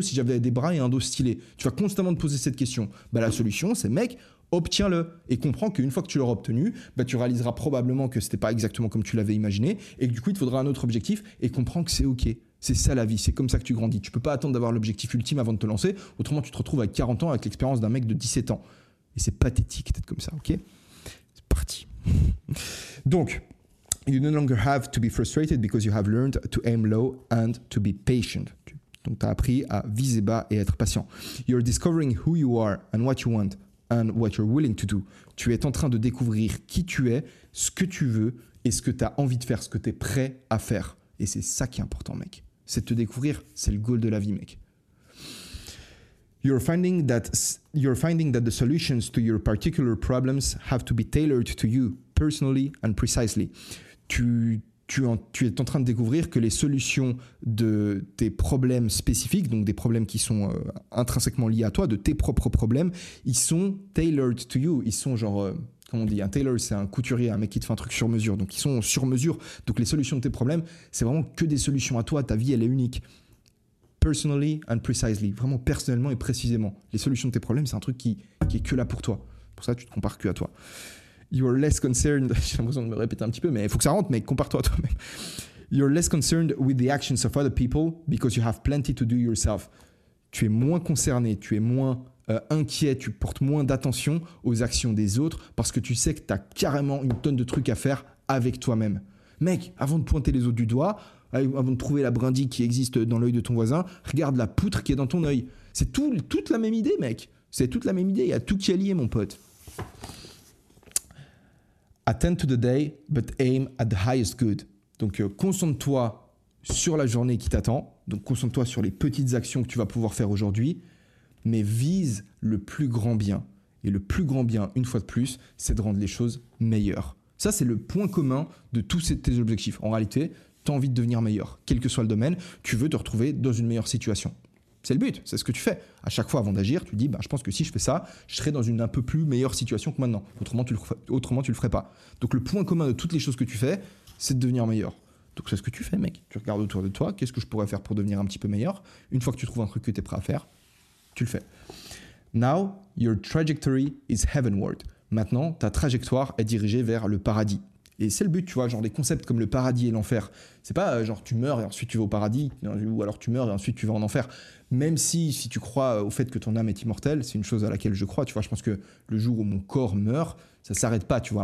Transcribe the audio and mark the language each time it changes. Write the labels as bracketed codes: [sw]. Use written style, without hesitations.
[fr] Si j'avais des bras et un dos stylé, tu vas constamment te poser cette question. La solution, c'est mec, obtiens-le et comprends qu'une fois que tu l'auras obtenu, tu réaliseras probablement que c'était pas exactement comme tu l'avais imaginé et que du coup, il te faudra un autre objectif et comprends que c'est ok. C'est ça la vie, c'est comme ça que tu grandis. Tu peux pas attendre d'avoir l'objectif ultime avant de te lancer, autrement tu te retrouves à 40 ans avec l'expérience d'un mec de 17 ans. Et c'est pathétique d'être comme ça, ok ? C'est parti. [en] Donc, you no longer have to be frustrated because you have learned to aim low and to be patient. [fr] Donc, tu as appris à viser bas et être patient. [en] You're discovering who you are and what you want and what you're willing to do. [fr] Tu es en train de découvrir qui tu es, ce que tu veux et ce que tu as envie de faire, ce que tu es prêt à faire. Et c'est ça qui est important, mec. C'est de te découvrir, c'est le goal de la vie, mec. [en] You're finding that the solutions to your particular problems have to be tailored to you personally and precisely. [fr] Tu es en train de découvrir que les solutions de tes problèmes spécifiques, donc des problèmes qui sont intrinsèquement liés à toi, de tes propres problèmes, ils sont [en] tailored to you. [fr] Ils sont genre, comment on dit, un tailor, c'est un couturier, un mec qui te fait un truc sur mesure. Donc ils sont sur mesure. Donc les solutions de tes problèmes, c'est vraiment que des solutions à toi. Ta vie, elle est unique. [en] Personally and precisely. [fr] Vraiment personnellement et précisément. Les solutions de tes problèmes, c'est un truc qui est que là pour toi. Pour ça, tu te compares que à toi. [en] You are less concerned, [fr] j'ai l'impression de me répéter un petit peu, mais il faut que ça rentre, mec, compare-toi à toi-même. [en] You're less concerned with the actions of other people because you have plenty to do yourself. [fr] Tu es moins concerné, tu es moins inquiet, tu portes moins d'attention aux actions des autres parce que tu sais que tu as carrément une tonne de trucs à faire avec toi-même. Mec, avant de pointer les autres du doigt, avant de trouver la brindille qui existe dans l'œil de ton voisin, regarde la poutre qui est dans ton œil. C'est toute la même idée, mec. C'est toute la même idée, il y a tout qui est lié, mon pote. [en] Attend to the day, but aim at the highest good. [fr] Donc, concentre-toi sur la journée qui t'attend. Donc, concentre-toi sur les petites actions que tu vas pouvoir faire aujourd'hui. Mais vise le plus grand bien. Et le plus grand bien, une fois de plus, c'est de rendre les choses meilleures. Ça, c'est le point commun de tous tes objectifs. En réalité, tu as envie de devenir meilleur. Quel que soit le domaine, tu veux te retrouver dans une meilleure situation. C'est le but, c'est ce que tu fais. À chaque fois, avant d'agir, tu dis, ben, je pense que si je fais ça, je serai dans une un peu plus meilleure situation que maintenant. Autrement, tu le ferais pas. Donc, le point commun de toutes les choses que tu fais, c'est de devenir meilleur. Donc, c'est ce que tu fais, mec. Tu regardes autour de toi, qu'est-ce que je pourrais faire pour devenir un petit peu meilleur. Une fois que tu trouves un truc que tu es prêt à faire, tu le fais. [en] Now, your trajectory is heavenward. [fr] Maintenant, ta trajectoire est dirigée vers le paradis. Et c'est le but, tu vois, genre des concepts comme le paradis et l'enfer. C'est pas genre tu meurs et ensuite tu vas au paradis, ou alors tu meurs et ensuite tu vas en enfer. Même si tu crois au fait que ton âme est immortelle, c'est une chose à laquelle je crois, tu vois, je pense que le jour où mon corps meurt, ça s'arrête pas, tu vois.